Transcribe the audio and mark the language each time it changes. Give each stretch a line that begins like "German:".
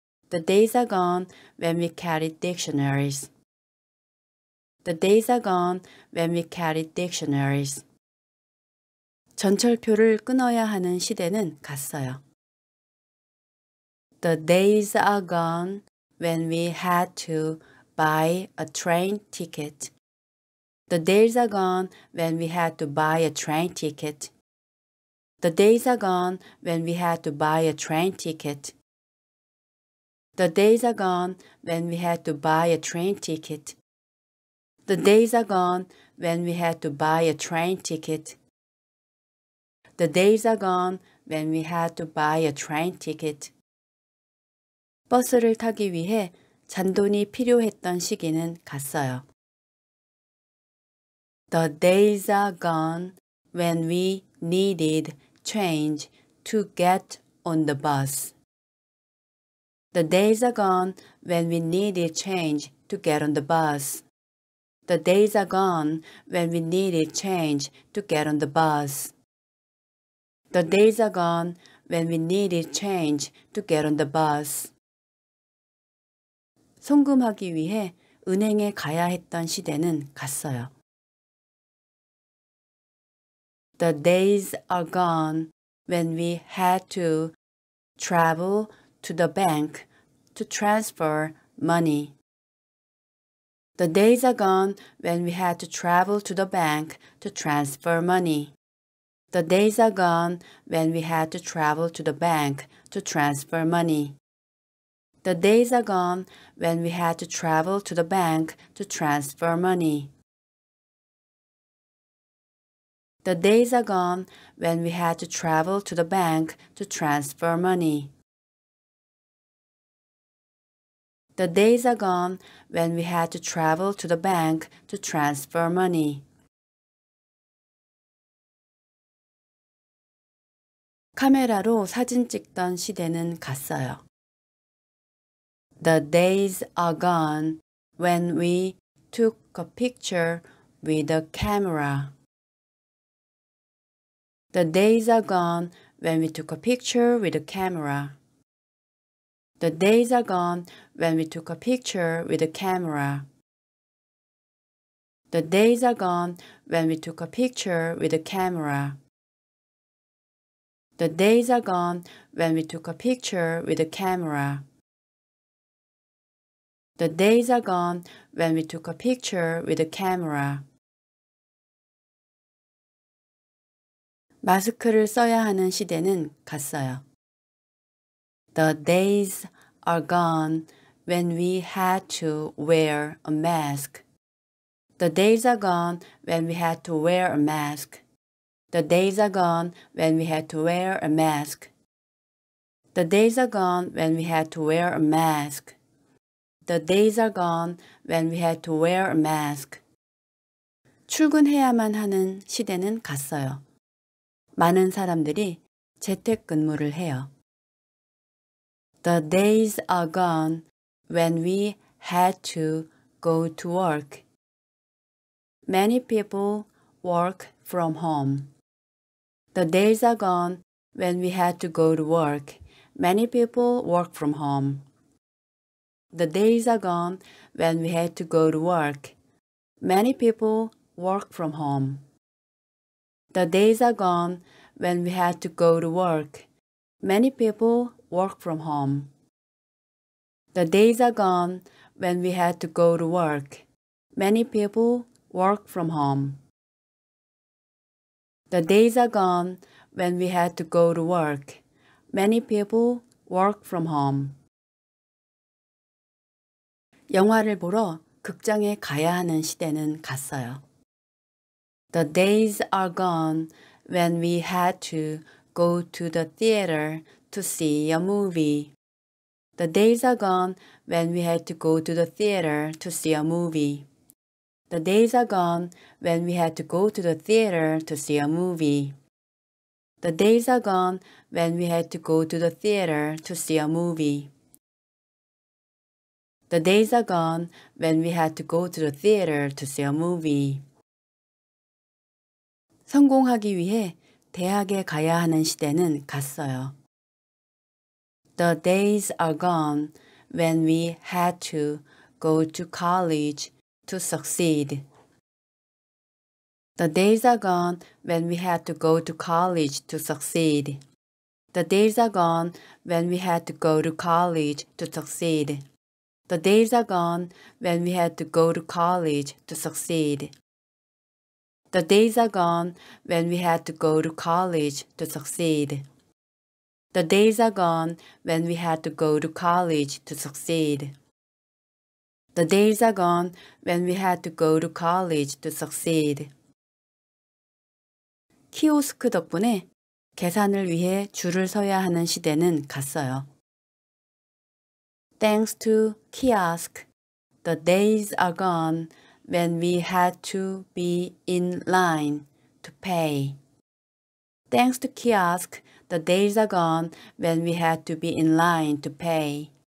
English: The days are gone when we carried dictionaries. The days are gone when we carried dictionaries.
Korean: 전철표를 끊어야 하는 시대는 갔어요.
English: The days are gone when we had to buy a train ticket. The days are gone when we had to buy a train ticket. The days are gone when we had to buy a train ticket. The days are gone when we had to buy a train ticket. The days are gone when we had to buy a train ticket. The days are gone when we had to buy a train ticket.
Korean: 버스를 타기 위해 잔돈이 필요했던 시기는 갔어요.
English: The days are gone when we needed change to get on the bus. The days are gone when we needed change to get on the bus. The days are gone when we needed change to get on the bus. The days are gone when we needed change to get on the bus.
Korean: 송금하기 위해 은행에 가야 했던 시대는 갔어요.
English: The days are gone when we had to travel to the bank to transfer money. The days are gone when we had to travel to the bank to transfer money. The days are gone when we had to travel to the bank to transfer money. The days are gone when we had to travel to the bank to transfer money. The days are gone when we had to travel to the bank to transfer money. The days are gone when we had to travel to the bank to transfer money.
Korean: 카메라로 사진 찍던 시대는 갔어요.
English: The days are gone when we took a picture with a camera. The days are gone when we took a picture with a camera. The days are gone when we took a picture with a camera. The days are gone when we took a picture with a camera. The days are gone when we took a picture with a camera. The days are gone when we took a picture with a camera.
Korean: 마스크를 써야 하는 시대는 갔어요.
English: The days are gone when we had to wear a mask. The days are gone when we had to wear a mask. The days are gone when we had to wear a mask. The days are gone when we had to wear a mask. The days are gone when we had to wear a mask.
Korean: 출근해야만 하는 시대는 갔어요. 많은 사람들이 재택근무를 해요.
English: The days are gone when we had to go to work. Many people work from home. The days are gone when we had to go to work. Many people work from home. The days are gone when we had to go to work. Many people work from home. The days are gone when we had to go to work. Many people work from home. The days are gone when we had to go to work. Many people work from home. The days are gone when we had to go to work. Many people work from home.
Korean: 영화를 보러 극장에 가야 하는 시대는 갔어요.
English: The days are gone when we had to go to the theater to see a movie. The days are gone when we had to go to the theater to see a movie. The days are gone when we had to go to the theater to see a movie. The days are gone when we had to go to the theater to see a movie. The days are gone when we had to go to the theater to see a movie.
Korean: 성공하기 위해 대학에 가야 하는 시대는 갔어요.
English: The days are gone when we had to go to college to succeed. The days are gone when we had to go to college to succeed. The days are gone when we had to go to college to succeed. The days are gone when we had to go to college to succeed. The days are gone when we had to go to college to succeed. The days are gone when we had to go to college to succeed. The days are gone when we had to go to college to succeed.
Korean: 키오스크 덕분에 계산을 위해 줄을 서야 하는 시대는 갔어요.
English: Thanks to kiosk, the days are gone when we had to be in line to pay. Thanks to kiosk, the days are gone when we had to be in line to pay.